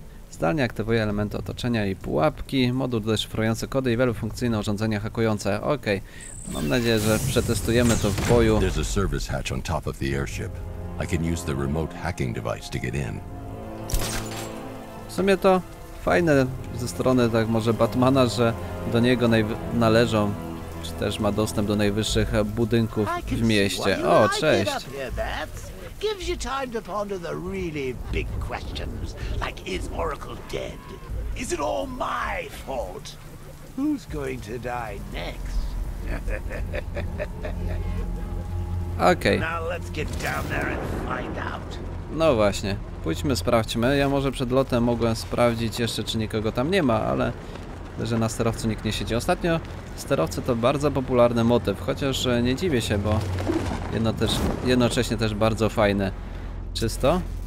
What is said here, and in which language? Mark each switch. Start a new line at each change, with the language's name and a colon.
Polish: Zdalnie aktywuje elementy otoczenia i pułapki, moduł deszyfrujący kody i wielu funkcyjne urządzenia hakujące. Okej. Okay. Mam nadzieję, że przetestujemy to w boju.
English: There's a service hatch on top of the airship. I can use the remote hacking device to get in.
Polish: W sumie to fajne ze strony tak może Batmana, że do niego należą, czy też ma dostęp do najwyższych budynków w mieście. O, cześć.
English: Gives you time to ponder the really big questions, like is Oracle dead? Is it all my fault? Who's going to die next? Okay. Now let's get down there and find out.
Polish: No właśnie, pójdźmy, sprawdźmy. Ja może przed lotem mogłem sprawdzić jeszcze, czy nikogo tam nie ma, ale że na sterowcu nikt nie siedzi. Ostatnio sterowce to bardzo popularny motyw, chociaż nie dziwię się, bo jednocześnie też bardzo fajne. Czysto?